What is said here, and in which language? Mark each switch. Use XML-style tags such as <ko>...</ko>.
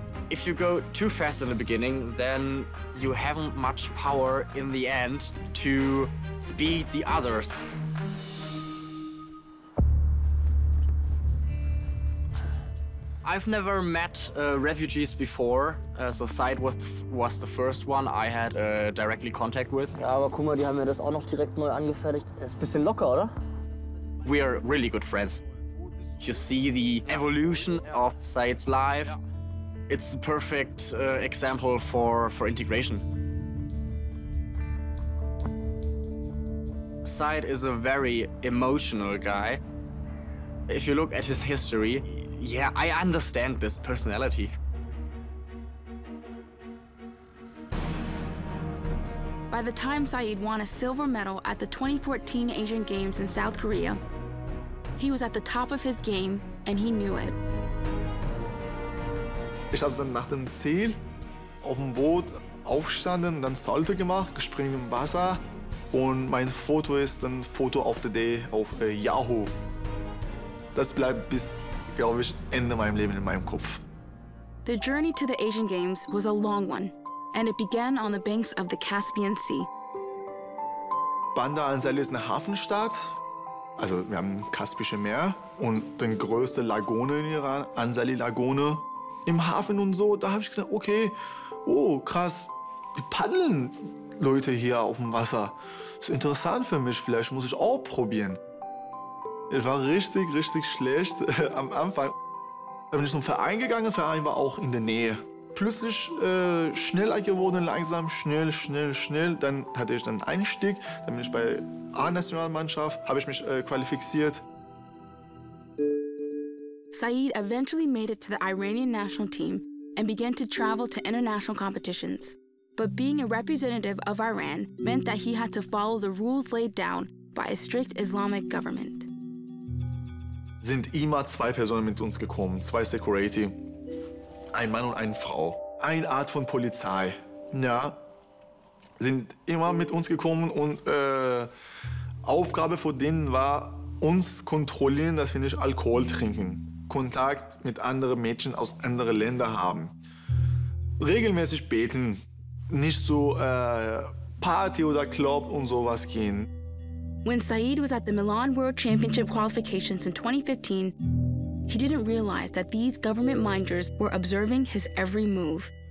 <en>If you go too fast in the beginning, then you haven't much power in the end to beat the others. I've never met refugees before, so Saeid was the first one I had directly contact with.</en> <de>Ja, aber guck mal, die haben mir das auch noch direkt neu angefertigt. Das ist ein bisschen locker, oder?</de> <en>We are really good friends. You see the evolution of Saeid's life. It's the perfect example for integration. Saeid is a very emotional guy. If you look at his history, yeah, I understand this personality. By the time Saeid won a silver medal at the 2014 Asian Games in South Korea, he was at the top of his game and he knew it.</en> <de>Ich habe dann nach dem Ziel auf dem Boot aufgestanden, dann Salto gemacht, gesprungen im Wasser und mein Foto ist dann Foto of the Day auf Yahoo. Das bleibt bis, glaube ich, Ende meinem Leben in meinem Kopf.</de> <en>The journey to the Asian Games was a long one and it began on the banks of the Caspian Sea.</en> <de>Bandar Ansel ist eine Hafenstadt. Also wir haben das Kaspische Meer und den größte Lagune in Iran, Anzali Lagune. Im Hafen und so, da habe ich gesagt, okay, oh krass, die paddeln Leute hier auf dem Wasser. Das ist interessant für mich, vielleicht muss ich auch probieren. Es war richtig, richtig schlecht am Anfang. Da bin ich zum Verein gegangen, der Verein war auch in der Nähe. Plötzlich schneller geworden, langsam, schnell, schnell, schnell. Dann hatte ich dann einen Einstieg, dann bin ich bei A-Nationalmannschaft, habe ich mich qualifiziert.</de> <en>Saeid eventually made it to the Iranian national team and began to travel to international competitions. But being a representative of Iran meant that he had to follow the rules laid down by a strict Islamic government.</en> <de>Sind immer zwei Personen mit uns gekommen, zwei Security. Ein Mann und eine Frau, eine Art von Polizei, ja, sind immer mit uns gekommen und Aufgabe von denen war, uns kontrollieren, dass wir nicht Alkohol trinken, Kontakt mit anderen Mädchen aus anderen Ländern haben, regelmäßig beten, nicht so Party oder Club und sowas gehen.</de> <en>When Saeid was at the Milan World Championship Qualifications in 2015, he didn't realize that these government minders were observing his every move.</en>